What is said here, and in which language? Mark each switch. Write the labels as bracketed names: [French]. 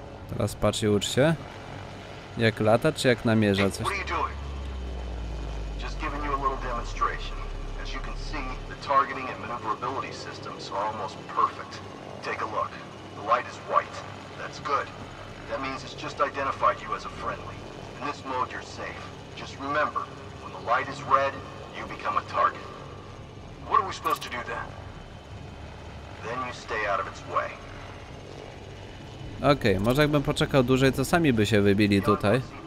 [Polish] Teraz patrz i ucz się. Jak lata, czy jak namierza coś? [English] Just giving you a little demonstration. As you can see, the targeting and maneuverability systems are almost perfect. Take a look. The light is white. That's good. That means it's just identified you as a friendly. In this mode you're safe. Just remember, when the light is red, you become a target. What are we supposed to do then? Then you stay out of its way. [Polish] Okej, może jakbym poczekał dłużej, to sami by się wybili tutaj.